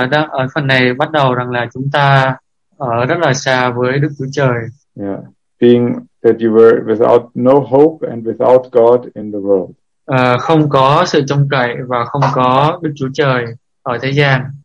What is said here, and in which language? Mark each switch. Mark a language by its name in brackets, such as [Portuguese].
[Vietnamese] Ở phần này bắt đầu rằng là chúng ta ở rất là xa với Đức Chúa Trời. [English] Yeah. Being that you were without no hope and without God in the world. [Vietnamese] Không có sự trông cậy và không có Đức Chúa Trời ở thế gian.